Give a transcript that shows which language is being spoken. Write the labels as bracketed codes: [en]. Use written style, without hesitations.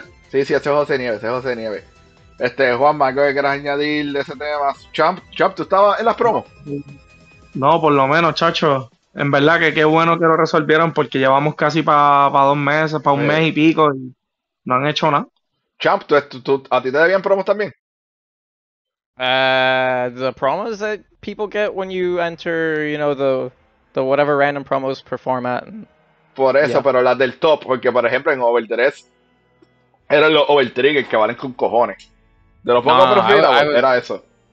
[es] Sí, ese es José Nieves, ese es José Nieves. Juanma, ¿qué quieres añadir de ese tema? Champ, ¿tú estabas en las promos? No, por lo menos, chacho. En verdad que qué bueno que lo resolvieron, porque llevamos casi para dos meses, para un mes y pico, y no han hecho nada. Champ, ¿a ti te debían promos también? [en] The promos that people get when you enter, you know, the whatever random promos perform at. [es] Por eso, yeah. Pero las del top, porque por ejemplo en Overdress, eran los Overtrigger que valen con cojones. De los pocos profiles, era eso.